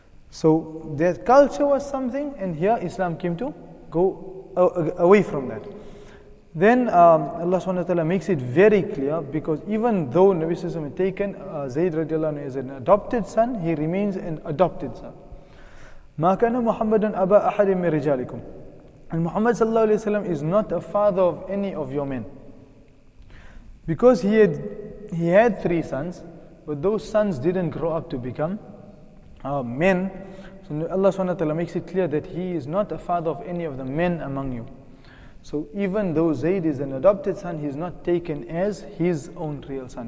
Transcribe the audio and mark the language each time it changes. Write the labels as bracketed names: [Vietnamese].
[English] So their culture was something, and here Islam came to go away from that. Then Allah subhanahu wa ta'ala makes it very clear, because even though Nabi sallallahu alayhi wa sallam had taken Zayd radiallahu anhu as an adopted son, he remains an adopted son. [Arabic] ما كان محمد أبا أحد من رجالكم. [English] And Muhammad sallallahu alayhi wa sallam is not a father of any of your men. Because he had three sons, but those sons didn't grow up to become men. So Allah subhanahu wa ta'ala makes it clear that he is not a father of any of the men among you. So even though Zayd is an adopted son, he's not taken as his own real son.